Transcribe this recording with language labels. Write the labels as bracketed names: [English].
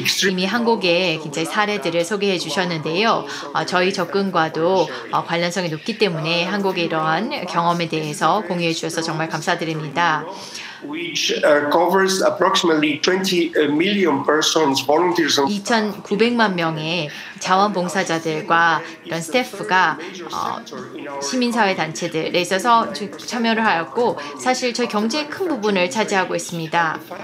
[Korean] 이미 한국의 굉장히 사례들을 소개해 주셨는데요. 저희 접근과도 관련성이 높기 때문에 한국의 이러한 경험에 대해서 공유해 주셔서 정말 감사드립니다. [English] Which covers approximately 20 million persons, volunteers. [Korean] 2,900만 명의 자원봉사자들과 이런 스태프가 시민사회 단체들에 있어서 참여를 하였고 사실 저희 경제의 큰 부분을 차지하고 있습니다.